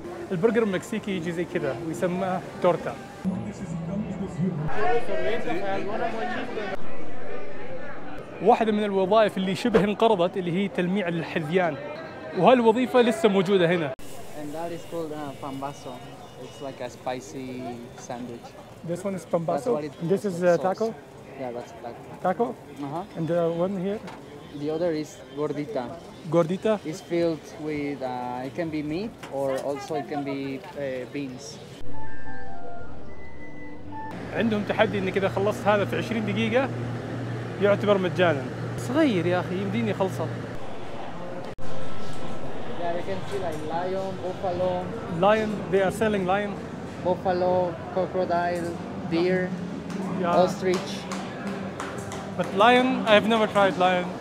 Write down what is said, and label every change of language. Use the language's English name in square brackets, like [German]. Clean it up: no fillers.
[Arabic] البرجر المكسيكي يجي زي كذا ويسمى تورتا. واحدة من الوظائف اللي شبه انقرضت اللي هي تلميع الحذيان، وهالوظيفة لسه موجودة هنا. [English] And that is called pambazo. It's like a spicy sandwich. This one is pambazo. And this is taco. Yeah, that's taco. Taco. Uh-huh. And the one here. The other is gordita. Gordita is filled with it can be meat or also it can be beans. [Arabic] عندهم تحدي إنك إذا خلصت هذا في 20 دقيقة يعتبر مجانا. صغير يا أخي يمديني خلصه. [English] Yeah, you can see like lion, buffalo. Lion, they are selling lion. Buffalo, crocodile, deer, yeah. Ostrich. But lion, I have never tried lion.